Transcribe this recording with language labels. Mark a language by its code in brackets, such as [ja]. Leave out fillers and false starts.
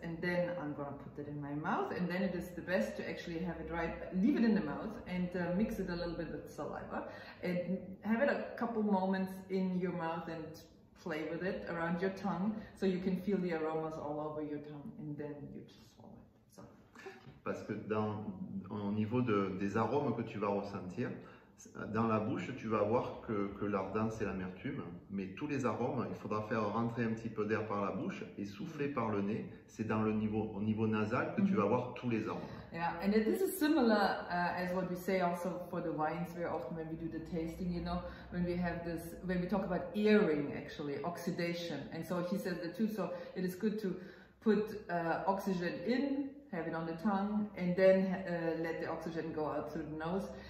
[en] And then I'm going to put that in my mouth. And then it is the best to actually have it right, leave it in the mouth and mix it a little bit with saliva. And have it a couple moments in your mouth and play with it around your tongue so you can feel the aromas all over your tongue and then you just swallow it. So. [fr] Parce que au niveau des arômes que tu vas ressentir, dans la bouche, tu vas voir que l'ardent, c'est l'amertume, mais tous les arômes, il faudra faire rentrer un petit peu d'air par la bouche et souffler par le nez. C'est dans au niveau nasal que tu vas voir tous les arômes. [en] Yeah, and this is similar as what we say also for the wines. Very often when we do the tasting, you know, when we have this, when we talk about airing, actually oxidation, and so he says that too. So it is good to put oxygen in, have it on the tongue, and then let the oxygen go out through the nose.